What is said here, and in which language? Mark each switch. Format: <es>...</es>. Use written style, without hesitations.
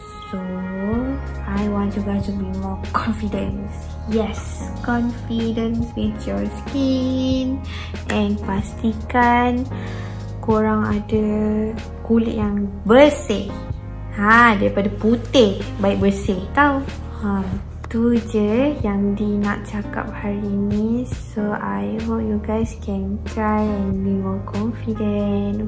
<en>So, I want you guys to be more confident. Yes, confidence with your skin.</en> <ms>And pastikan korang ada kulit yang bersih. Ha, daripada putih, baik bersih tau. Ha, tu je yang Dee nak cakap hari ni.</ms> <en>So, I hope you guys can try and be more confident.</en>